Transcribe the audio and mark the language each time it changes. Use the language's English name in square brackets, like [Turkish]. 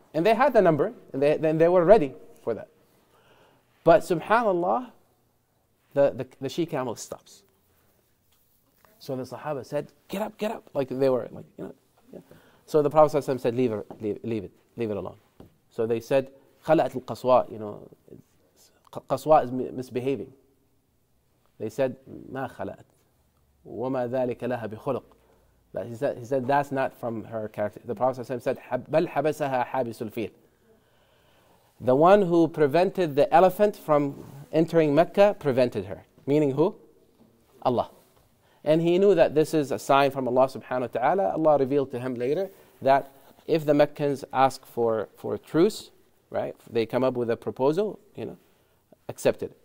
[English] And they had the number, and they were ready for that. But subhanAllah, the she-camel stops. So the Sahaba said, get up, get up. Like they were, like, you know. So the Prophet ﷺ said, leave it alone. So they said, [Arabic] خَلَأَتْ الْقَصْوَىٰ, [English] you know, قَصْوَىٰ is misbehaving. [Arabic] They said, مَا خَلَأَتْ وَمَا ذَلِكَ لَهَا بِخُلُقٍ. [English] He said, that's not from her character. The Prophet ﷺ said, [Arabic] بَلْ حَبَسَهَا حَابِسُ الْفِيلِ. [English] The one who prevented the elephant from entering Mecca prevented her. Meaning who? Allah. And he knew that this is a sign from Allah subhanahu wa ta'ala. Allah revealed to him later that if the Meccans ask for a truce, right, they come up with a proposal, you know, accept it.